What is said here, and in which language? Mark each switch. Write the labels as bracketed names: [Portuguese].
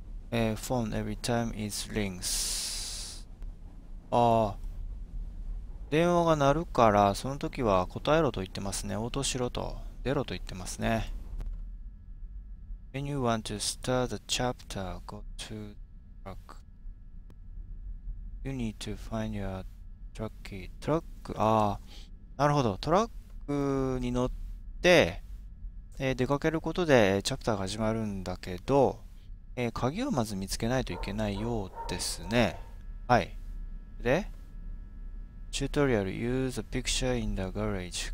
[English] phone every time it rings。 [Japanese] ああ、電話が鳴るから、その時は答えろと言ってますね。応答しろと、出ろと言ってますね。 [English] When you want to start the chapter, go to truck. You need to find your truck key. [Japanese] トラック、ああ、なるほど。トラックに乗って、出かけることでチャプターが始まるんだけど、鍵をまず見つけないといけないようですね。はい。で、チュートリアル、 [English] use a picture in the garage。